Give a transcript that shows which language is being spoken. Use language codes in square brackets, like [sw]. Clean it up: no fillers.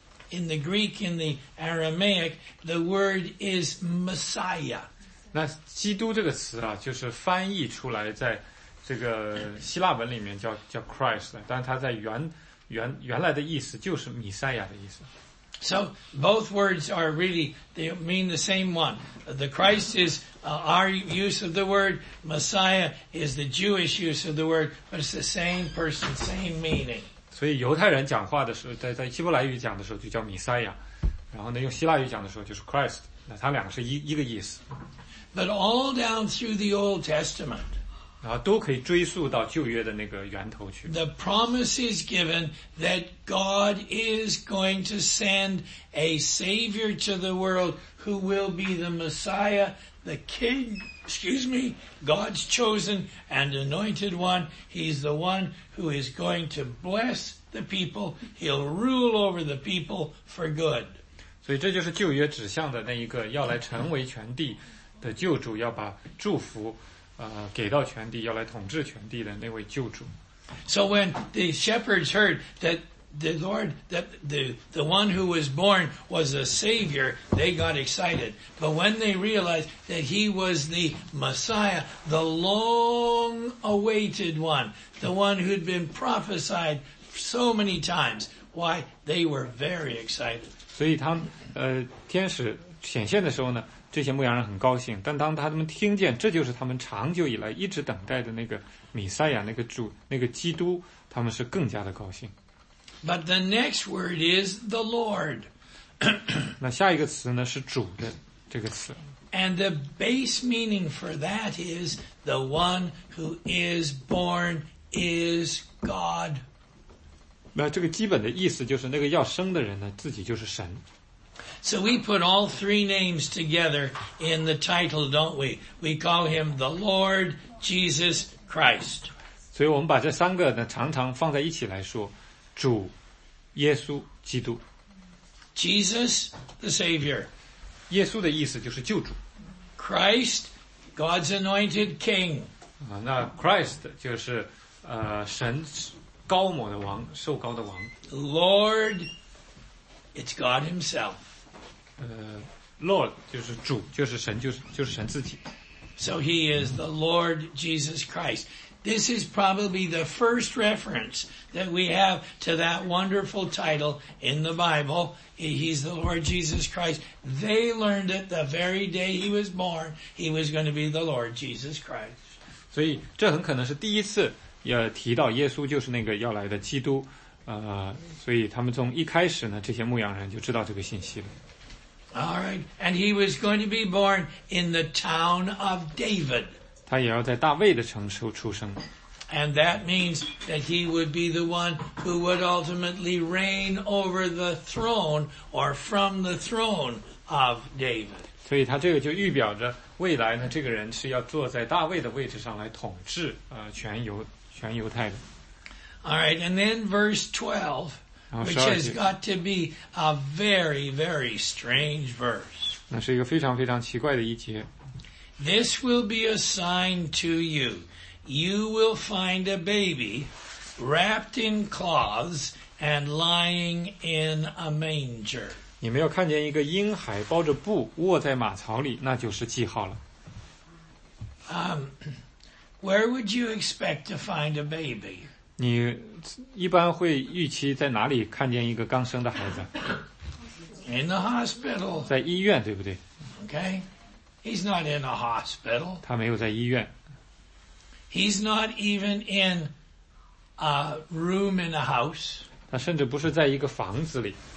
[en] In the Greek, in the Aramaic, the word is Messiah. [zh] 那基督这个词啊，就是翻译出来，在这个希腊文里面叫 Christ， 但它在原来的意思就是弥赛亚的意思。 [en] So both words are really they mean the same one. The Christ is our use of the word Messiah is the Jewish use of the word, but it's the same person, same meaning. [zh] 所以犹太人讲话的时候在希伯来语讲的时候就叫弥赛亚然后呢用希腊语讲的时候就是 Christ 那他两个是一个意思 [en] But all down through the Old Testament [zh] 然后都可以追溯到旧约的那个源头去 [en] The promise is given that God is going to send a savior to the world who will be the Messiah the KingExcuse me, God's chosen and anointed one. He's the one who is going to bless the people. He'll rule over the people for good. [zh] 所以这就是旧约指向的那一个要来成为全地的救主，要把祝福给到全地，要来统治全地的那位救主。 [en] So when the shepherds heard that the Lord, that the one who was born was a savior, they got excited. But when they realized that he was the Messiah, the long awaited one, the one who'd been prophesied so many times, why, they were very excited. [zh] 所以他们天使显现的时候呢，这些牧羊人很高兴，但当他们听见这就是他们长久以来一直等待的那个弥赛亚，那个主，那个基督，他们是更加的高兴。 [en] But the next word is the Lord. [zh] 那下一个词呢是主的这个词。 [en] And the base meaning for that is the one who is born is God. [zh] 那这个基本的意思就是那个要生的人呢自己就是神。 [en] So we put all three names together in the title, don't we? We call him the Lord Jesus Christ. [zh] 所以我们把这三个呢常常放在一起来说。主耶稣基督 [en] Jesus the Savior [zh] 耶稣的意思就是救主 [en] Christ God's anointed King [zh] 那 Christ 就是神高某的王受高的王 [en] Lord It's God himself [zh] Lord 就是主就是神就是神自己 [en] So he is the Lord Jesus ChristThis is probably the first reference that we have to that wonderful title in the Bible. He's the Lord Jesus Christ. They learned it the very day he was born. He was going to be the Lord Jesus Christ. [zh] 所以这很可能是第一次也提到耶稣就是那个要来的基督。所以他们从一开始呢这些牧羊人就知道这个信息了。 [en] All right. And he was going to be born in the town of David. [zh] 他也要在大卫的城市出生。 [en] And that means that he would be the one who would ultimately reign over the throne or from the throne of David. [zh] 所以他这个就预表着未来呢这个人是要坐在大卫的位置上来统治全犹太的。 [en] Alright, and then verse 12, which has got to be a very, very strange verse. [zh] 那是一个非常非常奇怪的一节。 [en] This will be a sign to you. you will find a baby wrapped in cloths and lying in a manger. [zh] 你们要看见一个婴孩包着布卧在马槽里，那就是记号了。 [en] Where would you expect to find a baby? [zh] 你一般会预期在哪里看见一个刚生的孩子？ [en] In the hospital. [zh] 在医院，对不对？ [en] Okay. He's not in a hospital. [zh] 他没有在医院。 [en] He's not even in a room in a house. [zh] 他甚至不是在一个房子里。